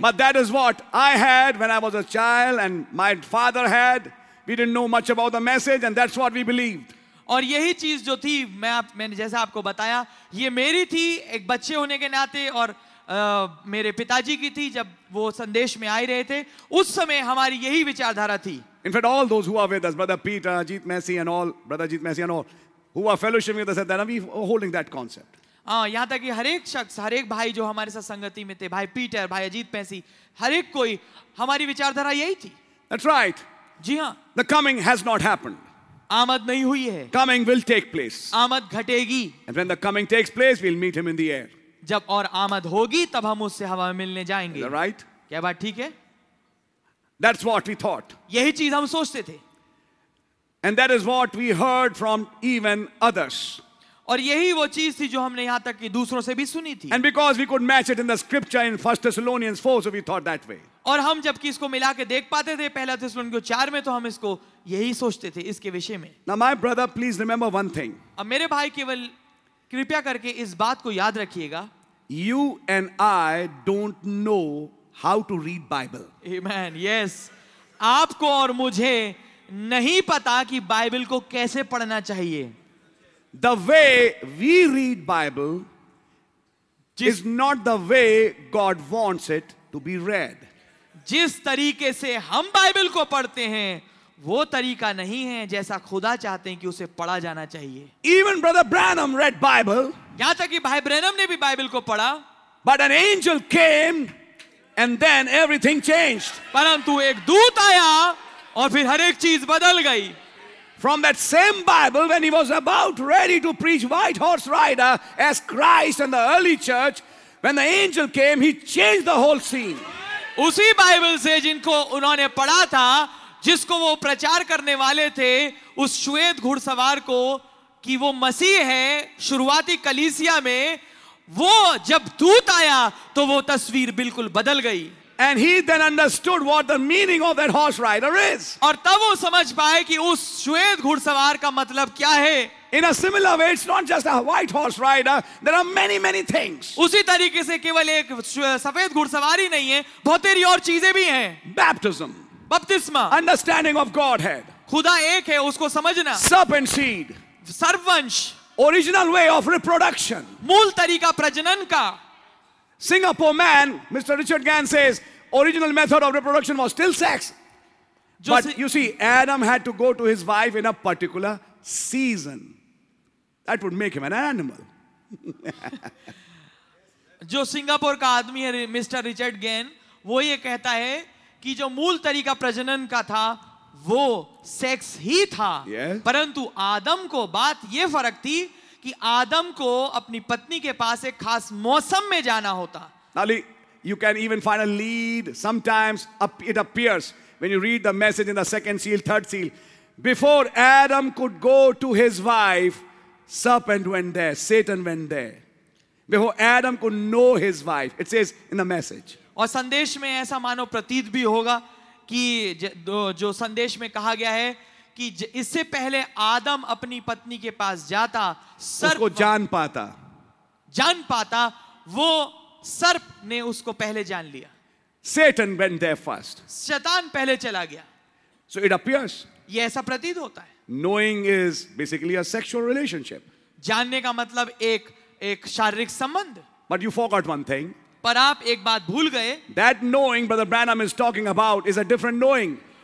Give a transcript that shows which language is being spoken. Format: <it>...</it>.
<en>But that is what I had when I was a child, and my father had. We didn't know much about the message, and that's what we believed.</en> <hi>और यही चीज जो थी, मैंने जैसा आपको बताया, ये मेरी थी एक बच्चे होने के नाते, और मेरे पिताजी की थी जब वो संदेश में आए रहे थे. उस समय हमारी यही विचारधारा थी.</hi> <en>In fact, all those who are with us, Brother Peter, Ajit Messi and all, Brother Ajit Messi and all, who are fellowshipping with us, then we are holding that concept.</en> <hi>यहाँ तक कि हर एक शख्स, हर एक भाई जो हमारे साथ संगति में थे, भाई पीटर, भाई अजीत मैसी, हर एक कोई, हमारी विचारधारा यही थी.</hi> <en>That's right.</en> <hi>जी हाँ.</hi> <en>The coming has not happened.</en> <hi>आमद नहीं हुई है.</hi> <en>Coming will take place.</en> <hi>आमद घटेगी.</hi> <en>And when the coming takes place, we'll meet him in the air.</en> <hi>जब और आमद होगी, तब हम उससे हवा में मिलने जाएंगे.</hi> <en>Right?</en> <hi>क्या बात, ठीक है?</hi> <en>That's what we thought.</en> <hi>यही चीज हम सोचते थे.</hi> <en>And that is what we heard from even others.</en> <hi>और यही वो चीज थी जो हमने यहाँ तक कि दूसरों से भी सुनी थी.</hi> <en>And because we could match it in the scripture in 1 Thessalonians 4, so we thought that way.</en> <hi>और हम जबकि इसको मिला के देख पाते थे पहला थिस्सलुनीकियों 4 में, तो हम इसको यही सोचते थे इसके विषय में.</hi> <en>Now my brother, please remember one thing.</en> <hi>अब मेरे भाई, केवल कृपया करके इस बात को याद रखिएगा.</hi> <en>You and I don't know how to read Bible. Amen. Yes.</en> <hi>आपको और मुझे नहीं पता कि बाइबल को कैसे पढ़ना चाहिए.</hi> <en>The way we read Bible is not the way God wants it to be read.</en> <hi>जिस तरीके से हम बाइबल को पढ़ते हैं, वो तरीका नहीं है जैसा खुदा चाहते हैं कि उसे पढ़ा जाना चाहिए.</hi> <en>Even Brother Branham read Bible.</en> <hi>यहां तक कि भाई ब्रैनम ने भी बाइबल को पढ़ा.</hi> <en>But an angel came and then everything changed.</en> <hi>परंतु एक दूत आया और फिर हर एक चीज बदल गई.</hi> <en>From that same Bible, when he was about ready to preach White Horse Rider as Christ in the early church, when the angel came, he changed the whole scene.</en> <hi>उसी बाइबल से जिनको उन्होंने पढ़ा था, जिसको वो प्रचार करने वाले थे, उस श्वेत घुड़सवार को कि वो मसीह है, शुरुआती कलीसिया में वो जब दूत आया तो वो तस्वीर बिल्कुल बदल गई.</hi> <en>And he then understood what the meaning of that horse rider is.</en> <hi>और तब वो समझ पाए कि उस श्वेत घुड़सवार का मतलब क्या है.</hi> <en>In a similar way, it's not just a white horse rider. There are many, many things.</en> <hi>उसी तरीके से केवल एक सफेद घुड़सवार ही नहीं है, बहुत सारी और चीजें भी हैं.</hi> <en>Baptism.</en> <hi>बपतिस्मा.</hi> <en>Understanding of Godhead.</en> <hi>खुदा एक है, उसको समझना.</hi> <en>Serpent seed.</en> <hi>सर्वंश.</hi> <en>Original way of reproduction.</en> <hi>मूल तरीका प्रजनन का.</hi> <en>Singapore man, Mr. Richard Gann says, original method of reproduction was still sex. But you see, Adam had to go to his wife in a particular season. That would make him an animal.</en> <hi>जो Singapore का आदमी है mister Richard gain, वो ये कहता है कि जो मूल तरीका प्रजनन का था वो सेक्स ही था.</hi> <en>Yes.</en> <hi>परंतु आदम को बात ये फर्क थी कि आदम को अपनी पत्नी के पास एक खास मौसम में जाना होता.</hi> <en>नाली, you can even find a lead. Sometimes it appears when you read the message in the second seal, third seal. Before Adam could go to his wife, serpent went there, Satan went there. Before Adam could know his wife, it says in the message.</en> <hi>और संदेश में ऐसा मानो प्रतीत भी होगा कि जो संदेश में कहा गया है कि इससे पहले आदम अपनी पत्नी के पास जाता, उसको जान पाता, जान पाता, वो सर्प ने उसको पहले जान लिया.</hi> <en>Satan went there first.</en> <hi>शैतान पहले चला गया.</hi> <en>So it appears.</en> <hi>ये ऐसा प्रतीत होता है.</hi> <en>Knowing is basically a sexual relationship.</en> <hi>जानने का मतलब एक शारीरिक संबंध.</hi> <en>But you forgot one thing.</en> <hi>पर आप एक बात भूल गए.</hi> <en>That knowing Brother Branham is talking about is a different knowing.</en>